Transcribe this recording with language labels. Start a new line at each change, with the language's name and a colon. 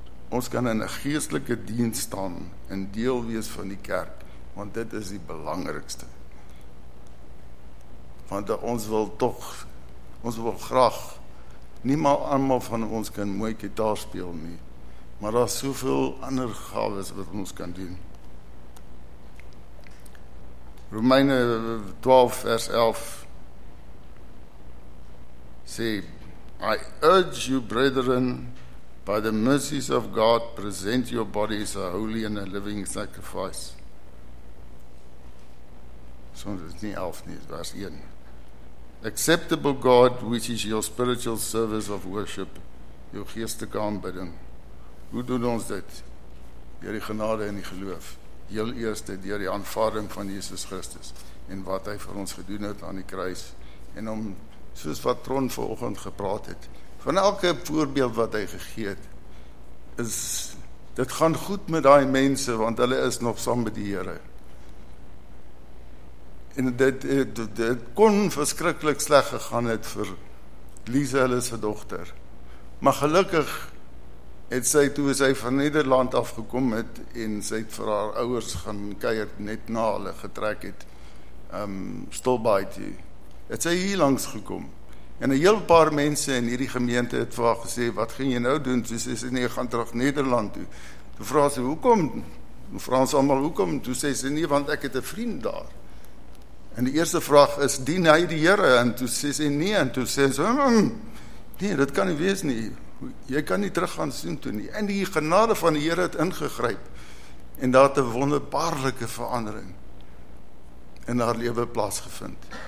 Afrikaans: Ons kan in een geestelike dienst staan en deel wees van die kerk, want dit is die belangrikste. Want ons wil toch, ons wil graag, nie maar allemaal van ons kan mooi gitaar speel nie, maar daar is soveel ander gawes wat ons kan doen. Romeine 12 vers 11 sê,
English: I urge you brethren, by the mercies of God, present your bodies a holy and a living sacrifice.
Afrikaans: Soms is nie 11 nie, vers 1.
English: Acceptable God, which is your spiritual service of worship, your
Afrikaans: geestelike aanbidding. Hoe doen ons dit? Deur die genade en die geloof. Heel eerste, deur die aanvaarding van Jesus Christus en wat hy vir ons gedoen het aan die kruis. En om, soos wat Tron vanoggend gepraat het, van elke voorbeeld wat hy gegee het, is, dit gaan goed met die mense, want hulle is nog saam met die Here. En dit kon verskrikkelijk sleg gegaan het vir Lise, hulle se dochter. Maar gelukkig het sy, toe sy van Nederland afgekom het, en sy het vir haar ouers gaan kuier net na hulle getrek het, stilbaaitie, het sy hier langs gekom. En een heel paar mense in hierdie gemeente het vir haar gesê, wat gaan jy nou doen? Toe sê sy, nee, gaan terug Nederland toe. Toe vraag sy, hoekom? Toe vraag ons allemaal, hoekom? Toe sê sy, nee, want ek het een vriend daar. En die eerste vraag is, dien hy die Here? En toe sê sy, nee, en toe sê sy, nee, dit kan nie wees nie. Jy kan nie terug gaan soen toe nie. En die genade van die Here het ingegryp. En daar het een wonderbaarlike verandering in haar lewe plaasgevind.